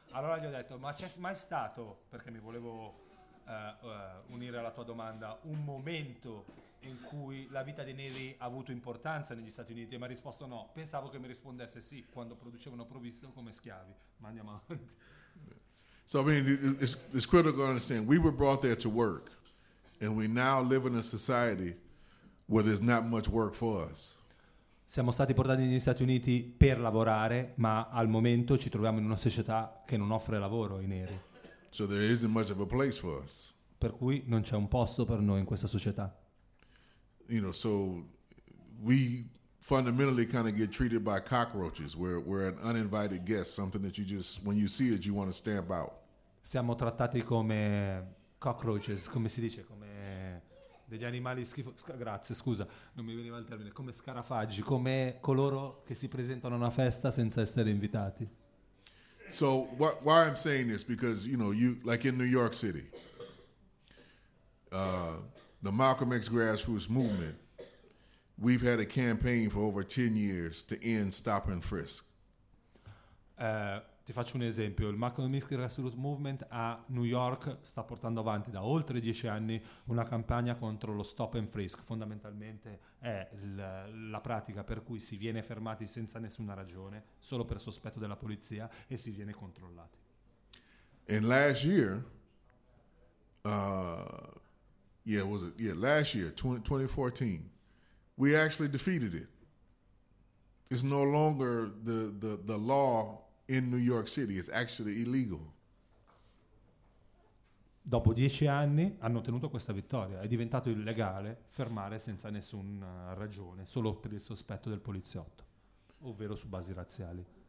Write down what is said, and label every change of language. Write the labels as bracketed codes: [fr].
[it] Allora gli ho detto, ma c'è mai stato, perché mi volevo unire alla tua domanda, un momento in cui la vita dei neri ha avuto importanza negli Stati Uniti? E mi ha risposto no. Pensavo che mi rispondesse sì, quando producevano provvisto come schiavi. Ma andiamo avanti. [en] So, I mean, it's critical to understand. We were brought there to work, and we now live in a society where there's not much work for us. [it] Siamo stati portati negli Stati Uniti per lavorare, ma al momento ci troviamo in una società che non offre lavoro ai neri. [en] So there isn't much of a place for us. [it] Per cui non c'è un posto per noi in questa società. [en] You know, so we fundamentally kind of get treated by cockroaches. We're an uninvited guest, something that you just, when you see it, you want to stamp out. [it] Siamo trattati come cockroaches, come si dice, come degli animali grazie, scusa, non mi veniva il termine, come scarafaggi, come coloro che si presentano a una festa senza essere invitati. [en] So why I'm saying this, because you know, you like in New York City, the Malcolm X grassroots movement, we've had a campaign for over 10 years to end stop and frisk. [it] Ti faccio un esempio, il Malcolm X Grassroots Movement a New York sta portando avanti da oltre 10 anni una campagna contro lo stop and frisk. Fondamentalmente è la pratica per cui si viene fermati senza nessuna ragione, solo per sospetto della polizia, e si viene controllati. [en] And last year, last year, 2014, we actually defeated it. It's no longer the law in New York City, it's actually illegal. [it] Dopo 10 anni hanno ottenuto questa vittoria. È diventato illegale fermare senza nessuna ragione, solo per il sospetto del poliziotto, ovvero su basi razziali.